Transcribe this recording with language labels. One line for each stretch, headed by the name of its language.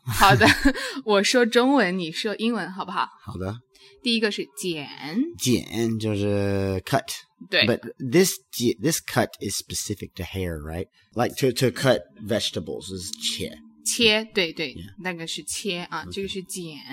Chinese: 好的，我说中文，你说英文，好不好？好的。第一个是剪。剪就是 cut. 对。
English: But this cut is specific to hair, right? Like to cut vegetables is 切。
Chinese: 切，对对，那个是切啊，这个是剪。